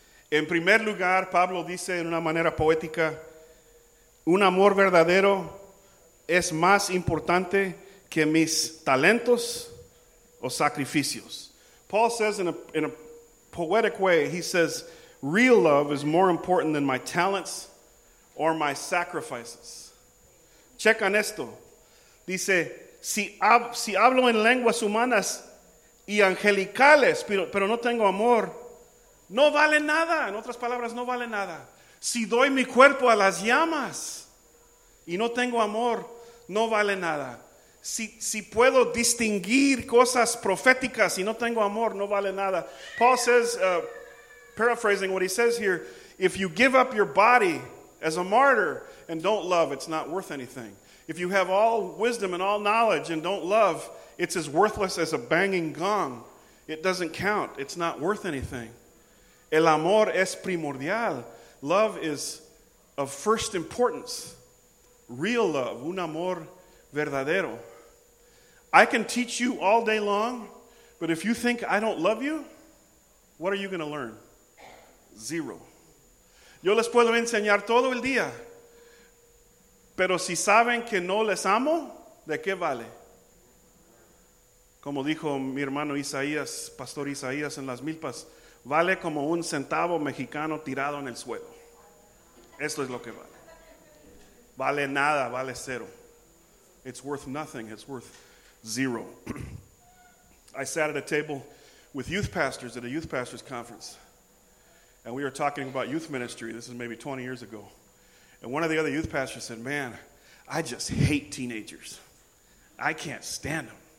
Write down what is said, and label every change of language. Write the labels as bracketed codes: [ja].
[es] En primer lugar, Pablo dice en una manera poética, un amor verdadero es más importante que mis talentos o sacrificios. [en] Paul says in a poetic way, he says, real love is more important than my talents or my sacrifices. [es] Checan esto. Dice, si hablo en lenguas humanas y angelicales, pero no tengo amor, no vale nada. En otras palabras, no vale nada. Si doy mi cuerpo a las llamas y no tengo amor, no vale nada. Si puedo distinguir cosas proféticas y no tengo amor, no vale nada. [en] Paul says, paraphrasing what he says here, if you give up your body as a martyr and don't love, it's not worth anything. If you have all wisdom and all knowledge and don't love, it's as worthless as a banging gong. It doesn't count. It's not worth anything. [es] El amor es primordial. [en] Love is of first importance. Real love, [es] un amor verdadero. [en] I can teach you all day long, but if you think I don't love you, what are you going to learn? Zero. [es] Yo les puedo enseñar todo el día, pero si saben que no les amo, ¿de qué vale? Como dijo mi hermano Isaías, Pastor Isaías en Las Milpas, vale como un centavo mexicano tirado en el suelo. Esto es lo que vale. Vale nada, vale cero. [en] It's worth nothing, it's worth zero. I sat at a table with youth pastors at a youth pastors conference, and we were talking about youth ministry. This is maybe 20 years ago. And one of the other youth pastors said, man, I just hate teenagers. I can't stand them.